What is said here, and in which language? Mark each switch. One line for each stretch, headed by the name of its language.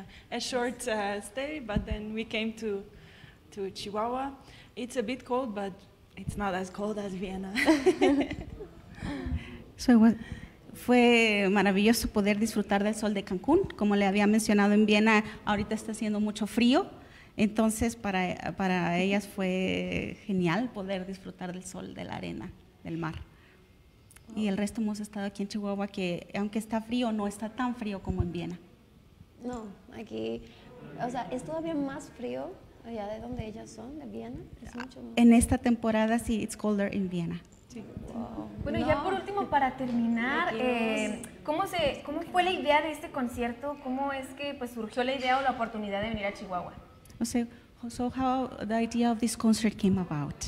English: A short stay, but then we came to Chihuahua. It's a bit cold, but it's not as cold as Vienna.
Spanish: So fue maravilloso poder disfrutar del sol de Cancún. Como le había mencionado, en Viena ahorita está haciendo mucho frío, entonces para ellas fue genial poder disfrutar del sol, de la arena, del mar. Oh. Y el resto hemos estado aquí en Chihuahua, que aunque está frío, no está tan frío como en Viena. No, aquí, o sea, es todavía más frío. ¿Allá de donde ellas son, de Viena? En esta temporada, sí,
English: it's colder in Viena.
Spanish: Wow. Bueno, no. Ya por último, para terminar, ¿cómo fue la idea de este concierto? ¿Cómo es que pues, surgió la idea o la oportunidad de venir a Chihuahua?
English: So how the idea of this concert came about?